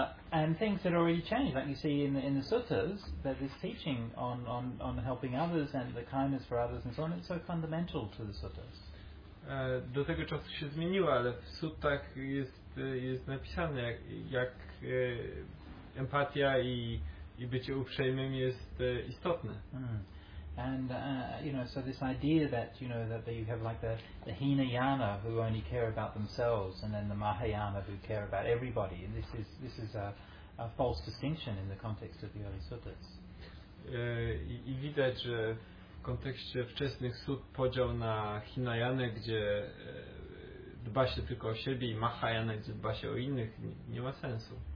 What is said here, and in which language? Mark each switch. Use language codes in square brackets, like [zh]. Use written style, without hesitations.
[en] And things had already changed, like you see in the suttas, that this teaching on helping others and the kindness for others and so on, it's so fundamental to the suttas. [pl] Do tego czasu się zmieniło, ale w suttach jest napisane, jak empatia i bycie uprzejmym jest istotne. [en] And so this idea that you have like the Hinayana who only care about themselves, and then the Mahayana who care about everybody, and this is a false distinction in the context of the early suttas. [pl] I widać, że w kontekście wczesnych sut podział na Hinayana, gdzie dba się tylko o siebie, i Mahayana, gdzie dba się o innych, nie ma sensu.